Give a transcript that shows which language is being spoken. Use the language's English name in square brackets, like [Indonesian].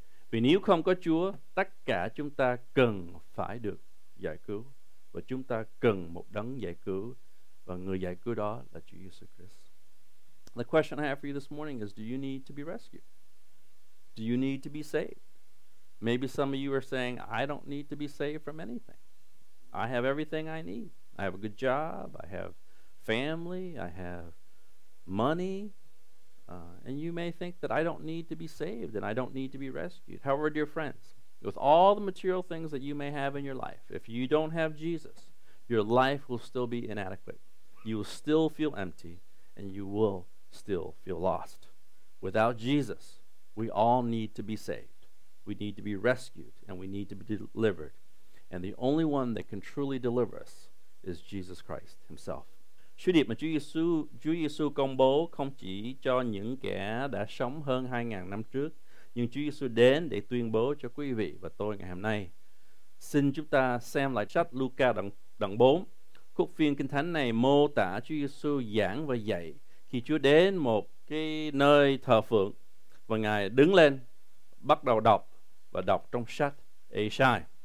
[Vietnamese] Vì nếu không có Chúa, tất cả chúng ta cần phải được giải cứu, và chúng ta cần một đấng giải cứu, và người giải cứu đó là Chúa Jesus Christ. [English] The question I have for you this morning is, do you need to be rescued? Do you need to be saved? Maybe some of you are saying, I don't need to be saved from anything. I have everything I need. I have a good job. I have family. I have money. And you may think that I don't need to be saved and I don't need to be rescued. However, dear friends, with all the material things that you may have in your life, if you don't have Jesus, your life will still be inadequate. You will still feel empty and you will still feel lost. Without Jesus, we all need to be saved. We need to be rescued and we need to be delivered. And the only one that can truly deliver us is Jesus Christ himself. [Vietnamese] Sứ điệp mà Chúa Giêsu công bố không chỉ cho những kẻ đã sống hơn 2000 năm trước, nhưng Chúa Giêsu đến để tuyên bố cho quý vị và tôi ngày hôm nay. Xin chúng ta xem lại sách Luca đoạn 4. Khúc phiên Kinh Thánh này mô tả Chúa Giêsu giảng và dạy khi Chúa đến một cái nơi thờ phượng và Ngài đứng lên bắt đầu đọc, và đọc trong sách Ê-sai.